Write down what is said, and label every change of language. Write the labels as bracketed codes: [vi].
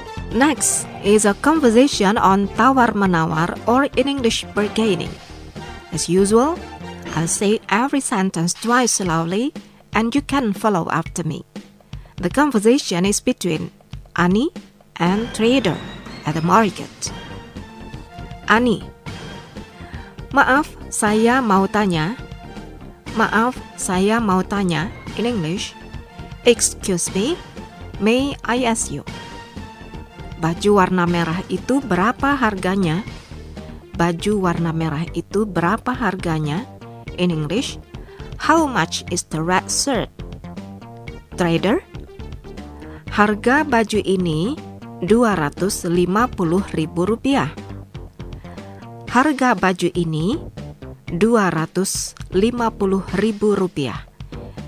[en] Next is a conversation on tawar-menawar or in English bargaining. As usual, I'll say every sentence twice slowly and you can follow after me. The conversation is between Annie and trader at the market. [id] Annie: Maaf, saya mau tanya. Maaf, saya mau tanya. [en] In English: Excuse me, may I ask you? [id] Baju warna merah itu berapa harganya? Baju warna merah itu berapa harganya? [en] In English: How much is the red shirt? [id] Trader: Harga baju ini Rp250.000. Harga baju ini Rp250.000.